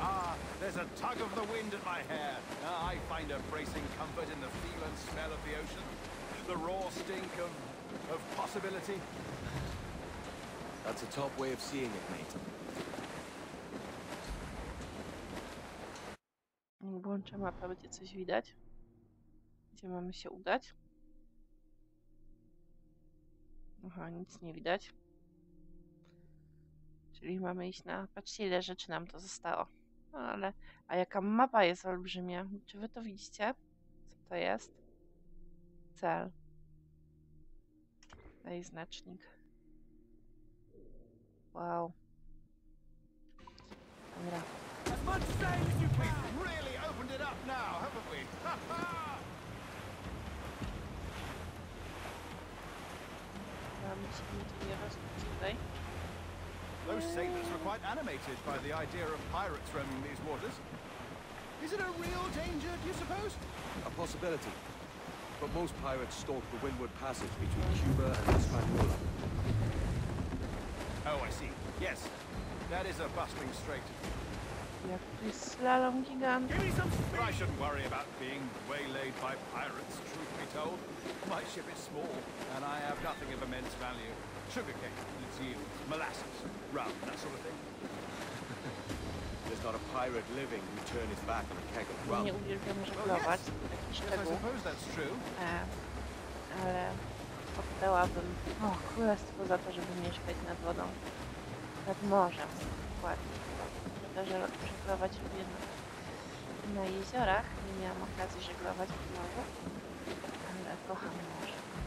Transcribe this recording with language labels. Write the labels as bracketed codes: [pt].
[en] Ah, there's a tug of the wind at my hair. I find a bracing comfort in the feel and smell of the ocean. The raw stink of possibility. That's a top way of seeing it, mate. [pl] Włączę mapę, będzie coś widać. Gdzie mamy się udać? Aha, nic nie widać. Czyli mamy iść na... Patrzcie, ile rzeczy nam to zostało. No ale... A jaka mapa jest olbrzymia. Czy wy to widzicie? Co to jest? Cel. Daj znacznik. Wow. Dobra. Mamy się nigdy nie rozpoczyć tutaj. [en] Those sailors were quite animated by the idea of pirates roaming these waters. Is it a real danger, do you suppose? A possibility. But most pirates stalk the windward passage between Cuba and Hispaniola. Oh, I see. Yes. That is a bustling strait. [pl] Jak tu jest slalom gigant. [en] Give me some speed. I shouldn't worry about being waylaid by pirates, truth be told. My ship is small, and I have nothing of immense value. Sugarcane, its yields, molasses, rum, that sort of thing. There's not a pirate living who turn his back on a keg of rum. [pl] Nie uwielbiam żeglować. [en] Well, yes. Yes, I suppose that's true. [pl] Ale oddałabym królestwo za to, żeby mieszkać nad wodą. Nad morzem, dokładnie. Że żeglować lubię na jeziorach. Nie miałam okazji żeglować w morzu, ale kocham morze.